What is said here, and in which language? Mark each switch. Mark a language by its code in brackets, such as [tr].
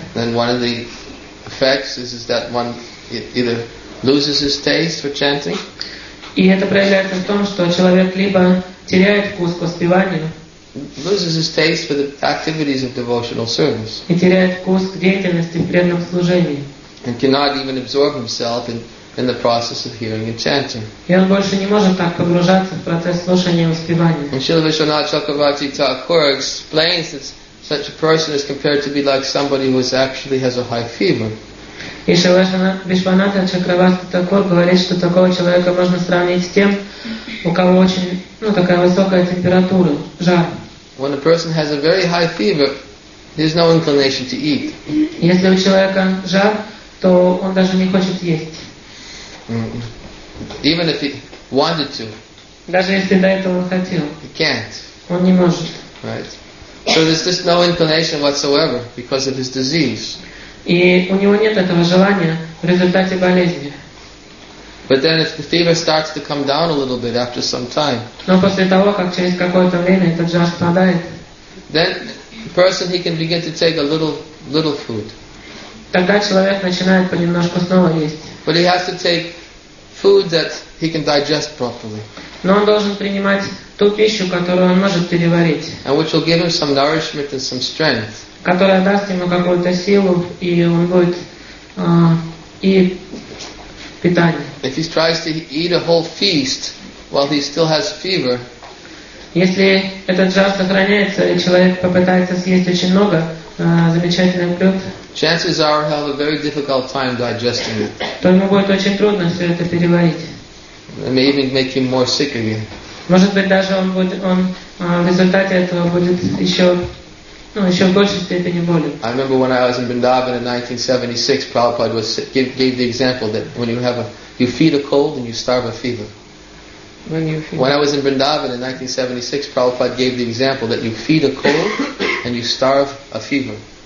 [en] And one of the effects is that one either loses his taste for chanting. [ru] И это проявляется в том, что человек либо теряет вкус к воспеванию, [en] loses his taste for the activities of devotional service. [ru] И теряет вкус к деятельности в преданном служении. [en] And cannot even absorb himself in the process of hearing and chanting. [ru] И он больше не может так погружаться в процесс слушания и воспевания. [en] And Śrīla Viśvanātha Cakravarti Thakura explains that such a person is compared to be like somebody who actually has a high fever. [ru] И Шрила Вишванатха Чакраварти Тхакур говорит, что такого человека можно сравнить с тем, у кого очень, ну, такая высокая температура, жар. [en] When a person has a very high fever, there's no inclination to eat. [ru] Если у человека жар, то он даже не хочет есть. [en] Even if he wanted to. [ru] Даже если до этого он хотел. [en] He can't. [ru] Он не может. [en] Right. So there's just no inclination whatsoever because of his disease. [ru] И у него нет этого желания в результате болезни. [en] But then if the fever starts to come down a little bit after some time. [ru] Но после того, как через какое-то время этот жар спадает. [en] Then the person he can begin to take a little food. [ru] Тогда человек начинает понемножку снова есть. [en] But he has to take food that he can digest properly. [ru] Но он должен принимать ту пищу, которую он может переварить. [en] And which will give him some nourishment and some strength. [ru] Которая даст ему какую-то силу, и он будет и питание. [en] If he tries to eat a whole feast while he still has fever. [ru] Если этот жар сохраняется, и человек попытается съесть очень много замечательных блюд, [en] chances are he'll have a very difficult time digesting it. [ru] То ему будет очень трудно все это переварить. [en] It may even make him more sick again. [ru] Может быть, даже он в результате этого будет еще. [en] I remember when I was in Vrindavan in 1976, Prabhupada gave the example that when you feed a cold and you starve a fever. When I was in Vrindavan in 1976, Prabhupada gave the example that you feed a cold and you starve a fever.